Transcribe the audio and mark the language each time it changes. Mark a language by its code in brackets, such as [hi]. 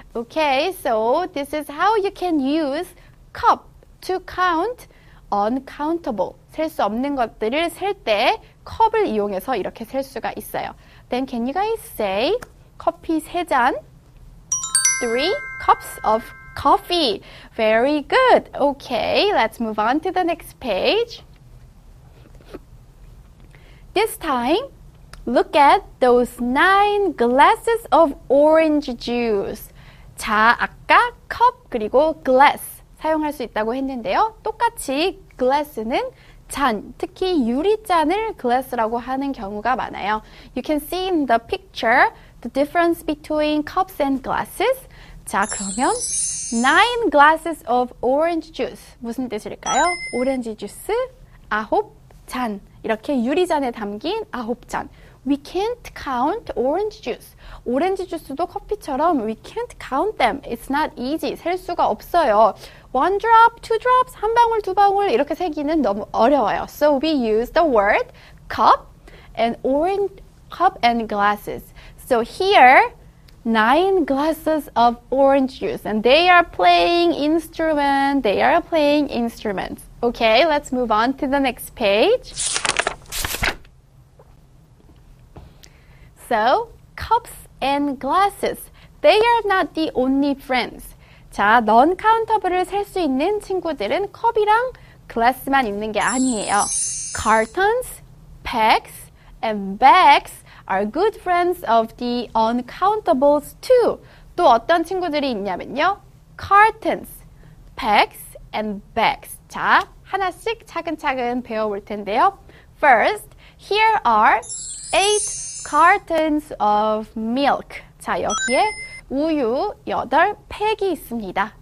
[en] Okay, so this is how you can use cup to count uncountable. [ko] 셀 수 없는 것들을 셀 때 컵을 이용해서 이렇게 셀 수가 있어요. [en] Then can you guys say [ko] 커피 세 잔? [en] Three cups of coffee. Very good. Okay, let's move on to the next page. This time, look at those nine glasses of orange juice. [ko] 자, 아까 cup 그리고 glass 사용할 수 있다고 했는데요. 똑같이 glass는 잔, 특히 유리잔을 glass라고 하는 경우가 많아요. [en] You can see in the picture the difference between cups and glasses. [ko] 자, 그러면 [en] nine glasses of orange juice [ko] 무슨 뜻일까요? 오렌지 주스 아홉 잔, 이렇게 유리잔에 담긴 아홉 잔. [en] We can't count orange juice. [ko] 오렌지 주스도 커피처럼 [en] we can't count them. It's not easy. [ko] 셀 수가 없어요. [en] One drop, two drops, [ko] 한 방울, 두 방울 이렇게 세기는 너무 어려워요. [en] So we use the word cup and orange cup and glasses. So here, nine glasses of orange juice. And they are playing instrument. They are playing instruments. Okay, let's move on to the next page. So, cups and glasses, they are not the only friends. [ko] 자, non-countable을 셀 수 있는 친구들은 컵이랑 glass만 있는 게 아니에요. [en] Cartons, packs, and bags are good friends of the uncountables too. [ko] 또 어떤 친구들이 있냐면요. [en] Cartons, packs, and bags. [ko] 자, 하나씩 차근차근 배워볼 텐데요. [en] First, here are eight cartons of milk. [ko] 자, 여기에 우유 8팩이 있습니다.